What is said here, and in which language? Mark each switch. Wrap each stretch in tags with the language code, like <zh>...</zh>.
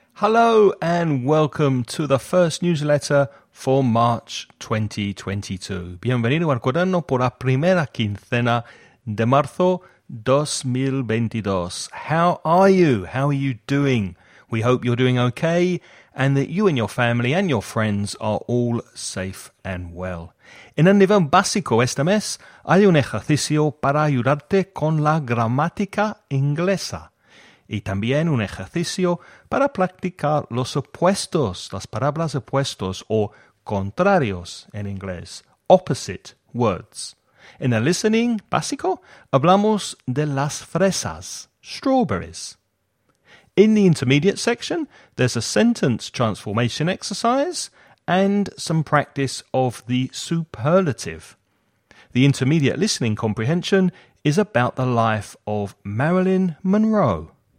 <en>Hello and welcome to the first newsletter for March 2022.</en> <es>Bienvenido al cuaderno por la primera quincena de marzo 2022.</es> <en>How are you? How are you doing? We hope you're doing okay and that you and your family and your friends are all safe and well.</en> <es>En el nivel básico este mes hay un ejercicio para ayudarte con la gramática inglesa. Y también un ejercicio para practicar los opuestos, las palabras opuestos o contrarios en inglés,</es> <en>opposite words.</en> <es>En el listening básico, hablamos de las fresas, strawberries.</es> <en>In the intermediate section, there's a sentence transformation exercise and some practice of the superlative. The intermediate listening comprehension is about the life of Marilyn Monroe.</en>